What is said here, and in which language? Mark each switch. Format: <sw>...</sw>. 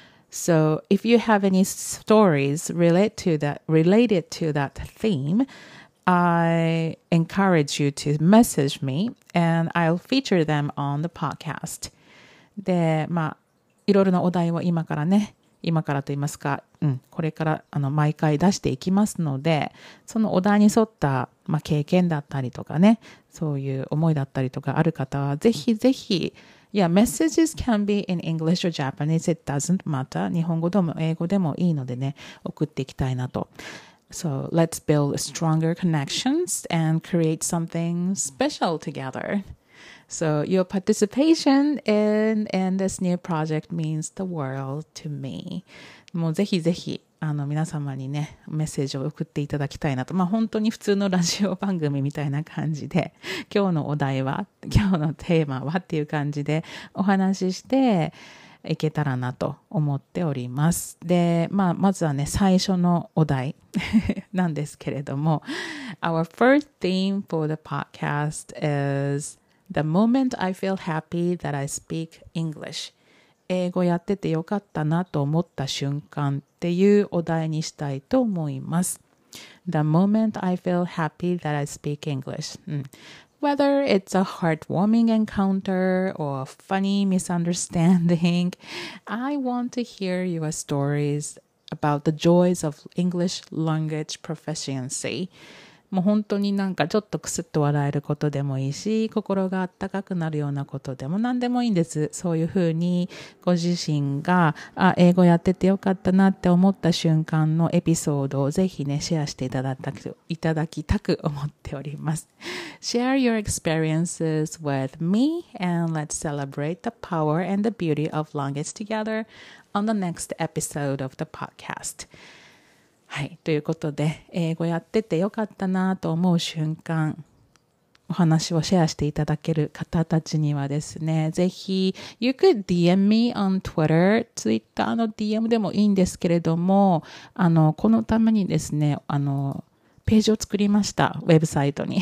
<en>So if you have any stories related to that theme, I encourage you to message me and I'll feature them on the podcast.</en> <ja>で、まあ、いろいろなお題を今からと言いますか、うん、これから毎回出していきますので、そのお題に沿った、まあ、経験だったりとかね、そういう思いだったりとかある方はぜひぜひ、</ja> <en>Yeah, messages can be in English or Japanese, it doesn't matter.</en> <ja>日本語でも英語でもいいのでね、送っていきたいなと。</ja> <en>So let's build stronger connections and create something special together. So your participation in this new project means the world to me.</en> <ja>もうぜひぜひ皆様にねメッセージを送っていただきたいなと。まあ本当に普通のラジオ番組みたいな感じで、今日のお題は、今日のテーマはっていう感じでお話ししていけたらなと思っております。で、まあまずはね最初のお題なんですけれども、</ja> <en>Our first theme for the podcast is The moment I feel happy that I speak English.</en> <ja>英語やっててよかったなと思った瞬間っていうお題にしたいと思います。</ja> <en>The moment I feel happy that I speak English.、</en> <ja>うん、</ja> <en>Whether it's a heartwarming encounter or a funny misunderstanding, I want to hear your stories about the joys of English language proficiency.</en> <ja>もう本当になんかちょっとクスッと笑えることでもいいし、心があったかくなるようなことでも何でもいいんです。そういうふうにご自身が、あ、英語やっててよかったなって思った瞬間のエピソードをぜひね、シェアしていただきたく思っております。</ja> <en>Share your experiences with me and let's celebrate the power and the beauty of language together on the next episode of the podcast.</en> <ja>はい、ということで、英語やっててよかったなと思う瞬間、お話をシェアしていただける方たちにはですね、ぜひ、</ja> <en>You could DM me on Twitter, Twitter</en> <ja>の DM でもいいんですけれども、このためにですね、ページを作りました、ウェブサイトに。</ja>